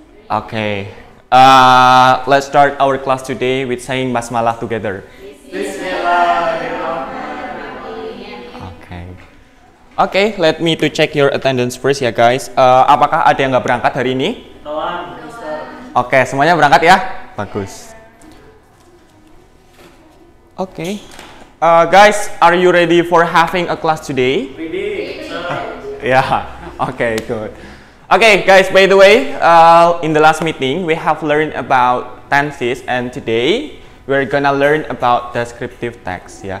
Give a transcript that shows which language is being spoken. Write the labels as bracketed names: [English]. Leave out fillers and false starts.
[English] Oke, let's start our class today with saying basmalah together. Oke, let me to check your attendance first ya, guys. [Indonesian] Apakah ada yang nggak berangkat hari ini? Oke, semuanya berangkat ya? Bagus. Oke. [English] Guys, are you ready for having a class today? Ready. Yeah. Oke, okay, good. Oke, okay, guys, by the way, in the last meeting, we have learned about tenses and today we're gonna learn about descriptive text ya.